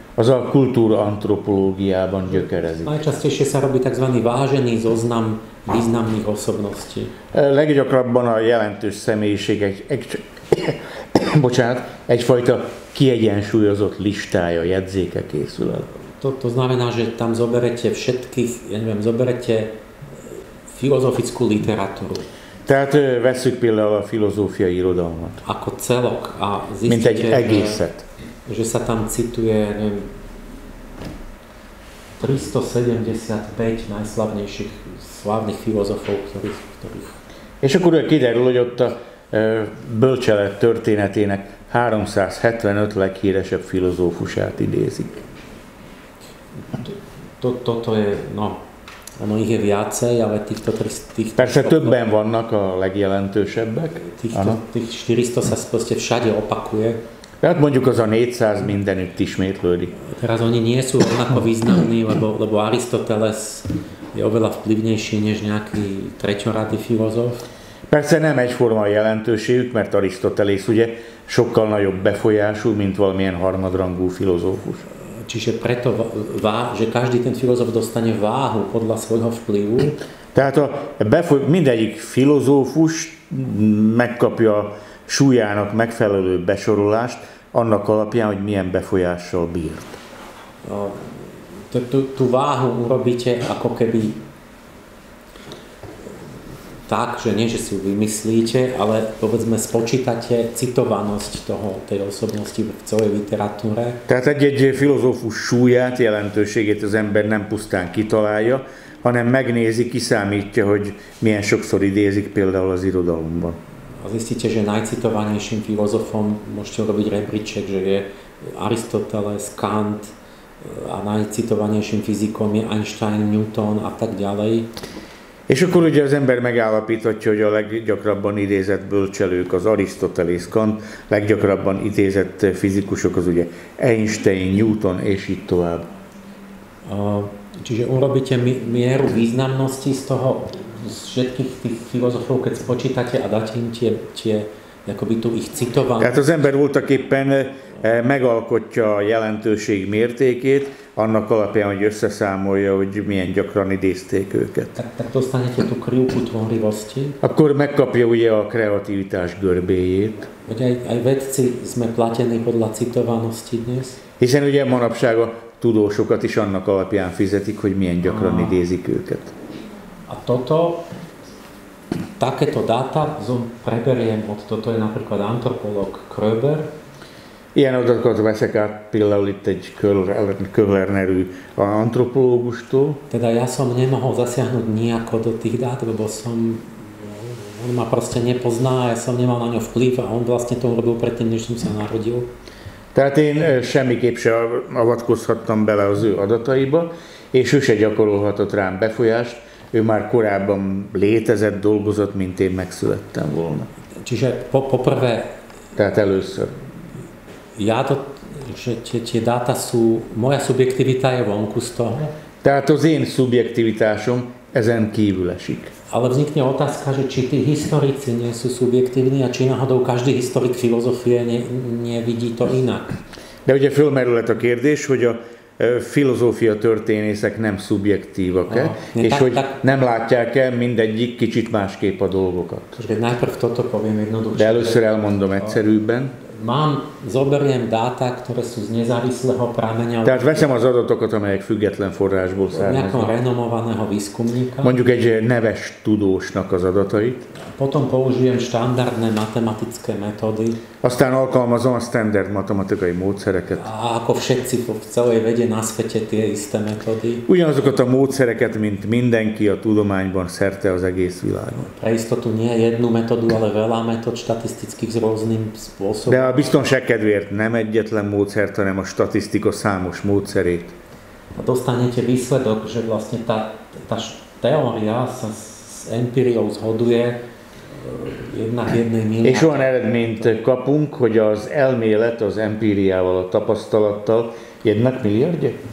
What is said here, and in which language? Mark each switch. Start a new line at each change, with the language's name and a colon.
Hungarian: Az a kultúra antropológiában gyökerezik.
Slovak: Najčastejšie sa robí tzv. Vážený zoznam významných osobností.
Hungarian: Leggyakrabban a jelentős személyiségek, egyfajta kiegyensúlyozott listája, jegyzéke készül.
Slovak: To znamená, že tam zoberete všetkých, ja neviem, zoberete filozofickú literatúru.
Hungarian: Tehát veszük például a filozófiai irodalmat.
Slovak: Ako celok a zistíte,
Hungarian: mint egy egészet.
Slovak: Že sa tam cituje, neviem, 375 najslavnejších slavných filozofov, ktorých...
Hungarian: És akkor kiderül, hogy ott a bölcselet történetének 375 leghíresebb filozófusát idézik.
Slovak: Toto je, no, ono ich je viacej, ale týchto...
Hungarian: Persze többen vannak a legjelentősebbek.
Slovak: Tých 400 sa proste všade opakuje.
Hungarian: Tehát mondjuk az a 400 mindenütt ismétlődik.
Slovak: Teraz oni nie sú onako významní, lebo Aristoteles je oveľa vplyvnejší než nejaký treťorady filozof.
Hungarian: Persze nem egyforma a jelentőségük, mert Aristoteles ugye sokkal nagyobb befolyású, mint valamilyen harmadrangú filozófus.
Slovak: Čiže preto, že každý ten filozof dostane váhu podľa svojho vplyvu.
Hungarian: Tehát a mindegyik filozófus megkapja súlyának megfelelő besorolást annak alapján, hogy milyen befolyással bírt.
Slovak: Tú váhu urobíte ako keby tak, že nie, že si ju vymyslíte, ale povedzme spočítate citovanosť tej osobnosti v celej literatúre.
Hungarian: Tehát egy filozófus súlyát, jelentőségét az ember nem pusztán kitalálja, hanem megnézi, kiszámítja, hogy milyen sokszor idézik például az irodalomban.
Slovak: A zistíte, že najcitovanejším filozofom môžete urobiť rebríček, že je Aristoteles, Kant a najcitovanejším fyzikom je Einstein, Newton a tak ďalej.
Hungarian: És akkor ugye az ember megállapíthatja, hogy a leggyakrabban idézett bölcselők az Arisztotelész, Kant, leggyakrabban idézett fizikusok az ugye Einstein, Newton és így tovább.
Slovak: Čiže urobíte mieru významnosti z toho, z všetkých tých filozofov, keď spočítate a dáte im tie akoby tu ich citovanú.
Hungarian: Tehát az ember voltaképpen megalkotja a jelentőség mértékét, annak alapján, hogy összeszámolja, hogy milyen gyakran idézték őket.
Slovak: Tak dostanete tú krivku tvorivosti.
Hungarian: Akkor megkapja ugye a kreativitás görbéjét.
Slovak: Ugye aj vedci sme platení podľa citovanosti dnes.
Hungarian: Hiszen ugye manapság a tudósokat is annak alapján fizetik, hogy milyen gyakran idézik őket.
Slovak: A toto, takéto dáta preberiem od toto je napríklad antropolog Kröber.
Hungarian: Ilyen adatokat veszek át például itt egy Köhler nevű antropológustól.
Slovak: Teda ja som nemohol zasiahnuť nejako do tých dát, lebo som... On ma proste nepozná, ja som nemal na ňo vplyv a on vlastne to urobil predtým, než som sa narodil.
Hungarian: Tehát én semmiképp se avatkozhattam bele az ő adataiba, és ő se gyakorolhatott rám befolyást, ő már korábban létezett, dolgozott, mint én megszülettem volna.
Slovak: Čiže poprvé...
Hungarian: Tehát először.
Slovak: Ja to, že tie dáta sú, moja subjektivita je vonku z toho.
Hungarian: Tehát az én subjektivitásom ezen kívül esik.
Slovak: Ale vznikne otázka, že či tí historici nie sú subjektívni a či náhodou každý historik filozofie nevidí to inak.
Hungarian: De ugye fölmerülhet a kérdés, hogy a filozófia történészek nem szubjektívak-e, és hogy nem látják-e mindegyik kicsit másképp a dolgokat.
Slovak: Najprv toto poviem jednoduchšie.
Hungarian: De először elmondom egyszerűbben.
Slovak: mám, zoberiem dáta, ktoré sú z nezávislého prameňa.
Hungarian: Tehát veszem az adatokat, amelyek független forrásból származnak.
Slovak: Nejakom renomovaného výskumníka.
Hungarian: Mondjuk egy neves tudósnak az adatait.
Slovak: Potom použijem štandardné matematické metódy.
Hungarian: Aztán alkalmazom a standard matematikai módszereket.
Slovak: A ako všetci v celej vede na svete tie isté metódy.
Hungarian: Ugyanazokat a módszereket, mint mindenki a tudományban szerte az egész világon.
Slovak: Pre istotu nie jednu metódu, ale veľa metód statisztických z rôznym spôsobom.
Hungarian: De a biztonság kedvéért nem egyetlen módszert, hanem a statisztika számos módszerét.
Slovak: A dostanete výsledok, že vlastne tá teória sa s empiriou zhoduje.
Hungarian: És olyan eredményt kapunk, hogy az elmélet az empíriával, a tapasztalattal jednak milliárdja?